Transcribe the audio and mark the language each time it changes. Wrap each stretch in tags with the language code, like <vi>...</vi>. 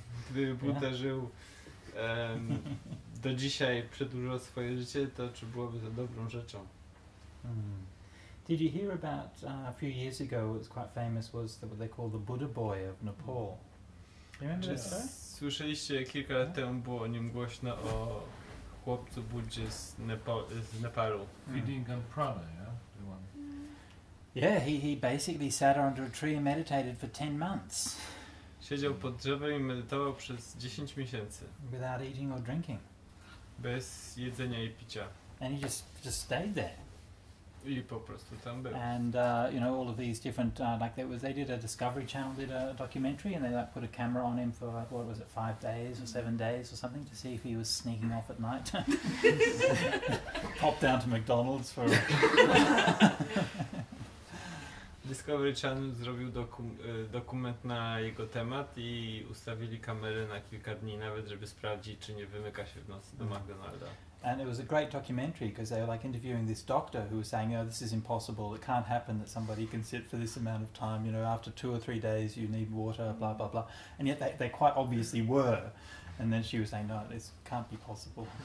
<pl>Gdyby Buddha żył do dzisiaj, przedłużył swoje życie, to czy byłoby to dobrą rzeczą? Mm.</pl> <en>Did you hear about a few years ago, it was quite famous, was the, what they call the Buddha boy of Nepal?</en> <pl>Czy słyszeliście kilka lat temu było o nim głośno o chłopcu Buddzie z Nepalu?</pl> <en>Feeding Gamprana, yeah? Yeah, he basically sat under a tree and meditated for 10 months.</en> <pl>Siedział pod drzewem i medytował przez 10 miesięcy.</pl> <en>Without eating or drinking.</en> <pl>Bez jedzenia i picia.</pl> <en>And he just stayed there.</en> <pl>I po prostu tam był.</pl> <en>And you know all of these different like there was they did a Discovery Channel did a documentary and they like put a camera on him for like, what was it 5 days or 7 days or something to see if he was sneaking off at night, pop down to McDonald's for. Disc-</en> <pl>Discovery Channel zrobił dokument na jego temat i ustawili kamerę na kilka dni nawet, żeby sprawdzić, czy nie wymyka się w nocy do McDonalda.</pl> <en>And it was a great documentary because they were like interviewing this doctor who was saying, oh, this is impossible, it can't happen that somebody can sit for this amount of time, you know, after 2 or 3 days you need water, blah, blah, blah. And yet they quite obviously were. And then she was saying, no, this can't be possible.</en>